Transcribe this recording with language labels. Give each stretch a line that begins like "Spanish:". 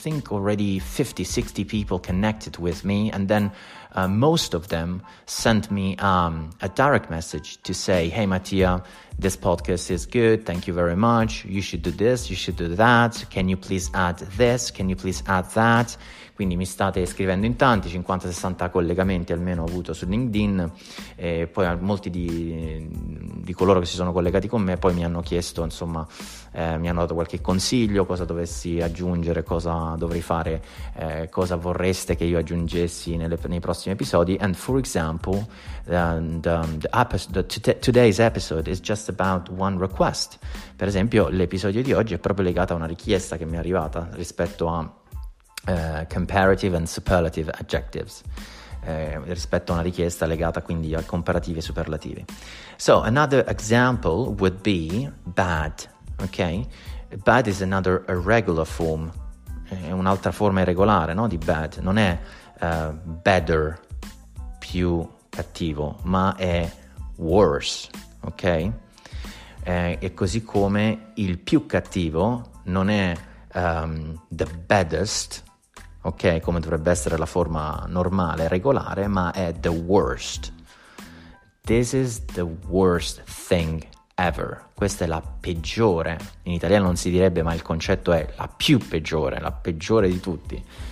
English: already 50-60 people connected with me, and then most of them sent me a direct message to say, hey Mattia, this podcast is good, thank you very much, you should do this, you should do that, can you please add this, can you please add that.
Italian: Quindi mi state scrivendo in tanti, 50-60 collegamenti almeno ho avuto su LinkedIn, e poi molti di coloro che si sono collegati con me poi mi hanno chiesto, insomma, mi hanno dato qualche consiglio, cosa dovessi aggiungere, cosa dovrei fare, cosa vorreste che io aggiungessi nei prossimi episodi.
English: And for example, today's episode is just about one request.
Italian: Per esempio, l'episodio di oggi è proprio legato a una richiesta che mi è arrivata rispetto a
English: comparative and superlative adjectives,
Italian: rispetto a una richiesta legata quindi a comparativi e superlativi.
English: So another example would be bad, okay? Bad is another irregular form,
Italian: è un'altra forma irregolare, no, di bad. Non è better, più cattivo, ma è worse, ok? E così come il più cattivo non è the baddest, ok, come dovrebbe essere la forma normale, regolare, ma è the worst.
English: This is the worst thing ever.
Italian: Questa è la peggiore. In italiano non si direbbe, ma il concetto è la più peggiore, la peggiore di tutti.